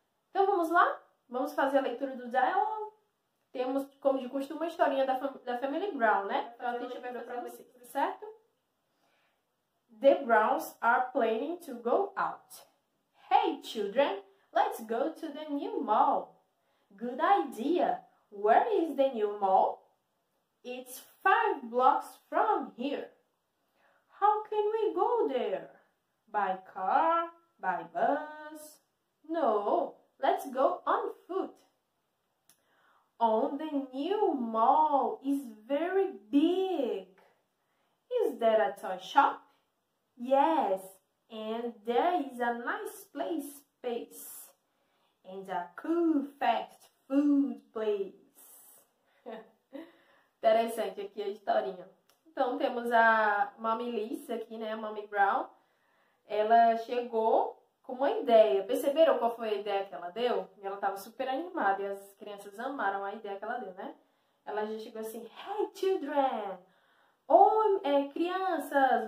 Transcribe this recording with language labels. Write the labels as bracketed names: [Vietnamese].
[Portuguese] Então vamos lá? Vamos fazer a leitura do diálogo. Temos, como de costume, uma historinha da Family Brown, né? Então a gente vai fazer para vocês, certo? [English] The Browns are planning to go out. Hey children, let's go to the new mall. Good idea. Where is the new mall? It's 5 blocks from here. How can we go there? By car? By bus? No, let's go on foot. Oh, the new mall is very big. Is there a toy shop? Yes. And there is a nice play space and a cool fast food place. [Portuguese] Interessante aqui a historinha. Então temos a Mami Lisa aqui, né? A Mami Brown. Ela chegou com uma ideia. Perceberam qual foi a ideia que ela deu? E ela estava super animada e as crianças amaram a ideia que ela deu, né? Ela já chegou assim: [English] Hey, children! [Portuguese] Oi, crianças!